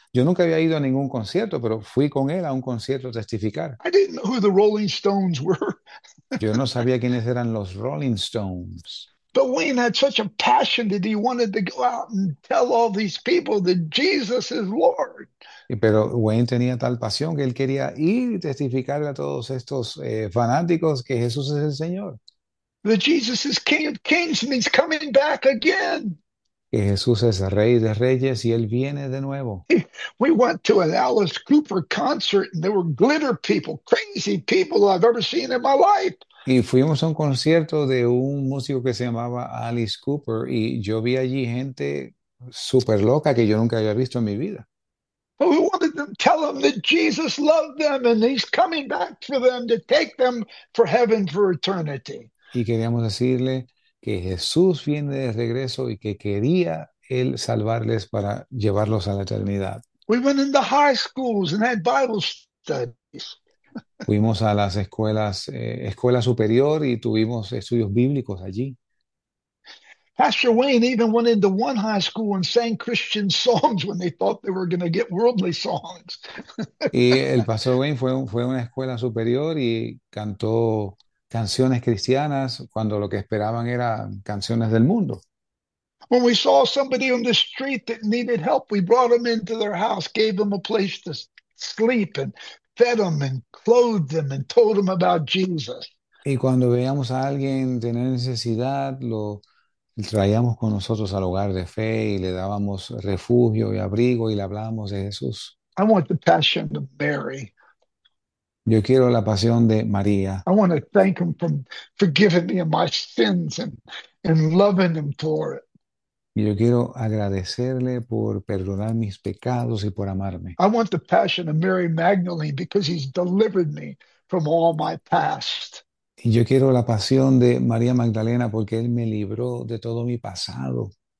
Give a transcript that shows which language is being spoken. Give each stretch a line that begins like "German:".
Spanish: Yo nunca había ido a ningún concierto, pero fui con él a un concierto a testificar.
English: I didn't know who the Rolling Stones were.
Spanish: Yo no sabía quiénes eran los Rolling Stones.
English: But Wayne had such a passion that he wanted to go out and tell all these people that Jesus is Lord.
Spanish: Pero Wayne tenía tal pasión que él quería ir y testificarle a todos estos fanáticos que Jesús es el Señor.
English: That Jesus is King of Kings and he's coming back again.
Spanish: Que Jesús es Rey de Reyes y él viene de nuevo.
English: We went to an Alice Cooper concert and there were glitter people, crazy people I've ever seen in my life.
Spanish: Y fuimos a un concierto de un músico que se llamaba Alice Cooper y yo vi allí gente súper loca que yo nunca había visto en mi vida.
English: But we wanted them to tell them that Jesus loved them and he's coming back for them to take them for heaven for eternity.
Spanish: Y queríamos decirle que Jesús viene de regreso y que quería él salvarles para llevarlos a la eternidad.
English: We went into high schools and had Bible studies.
Spanish: Fuimos a las escuelas, escuela superior y tuvimos estudios bíblicos allí.
English: Pastor Wayne even went into one high school and sang Christian songs when they thought they were going to get worldly songs.
Spanish: Y el pastor Wayne fue a una escuela superior y cantó canciones cristianas cuando lo que esperaban eran canciones del mundo.
English: When we saw somebody on the street that needed help, we brought them into their house, gave them a place to sleep, and fed them, and clothed them, and told them about Jesus.
Spanish: Y cuando veíamos a alguien tener necesidad, lo traíamos con nosotros al hogar de fe y le dábamos refugio y abrigo y le hablábamos de Jesús.
English: I want the passion of Mary.
Spanish: Yo quiero la pasión de María.
English: I want to thank him for forgiving me of my sins and loving him for it.
Spanish: Yo quiero agradecerle por perdonar mis pecados y por amarme.
English: I want the passion of Mary Magdalene because he's delivered me from all my past.
Spanish: Y yo quiero la pasión de María Magdalena porque él me libró de todo mi pasado.